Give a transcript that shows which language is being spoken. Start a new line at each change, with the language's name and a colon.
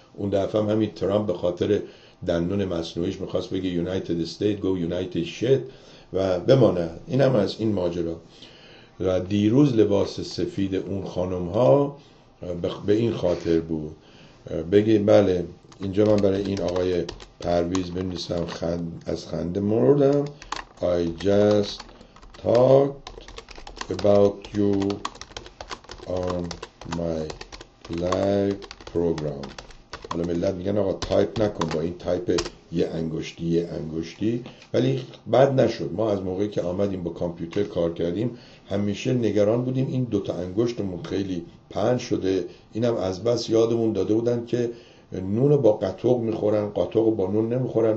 Persian: اون دفعه هم همین ترامپ به خاطر دندون مصنوعیش میخواست بگه
English: United States go United shit
Persian: و بمانه. این هم از این ماجرا. و دیروز لباس سفید اون خانم ها به این خاطر بود. بگه بله اینجا من برای این آقای پرویز بنویسم از خنده مردم.
English: I just talked about you on my live program.
Persian: حالا ملت میگن آقا تایپ نکن با این تایپ یه انگشتی، ولی بد نشد. ما از موقعی که آمدیم با کامپیوتر کار کردیم همیشه نگران بودیم این دوتا انگشتمون خیلی پهن شده، اینم از بس یادمون داده بودن که نونو با قطوق میخورن قطوق با نون نمیخورن.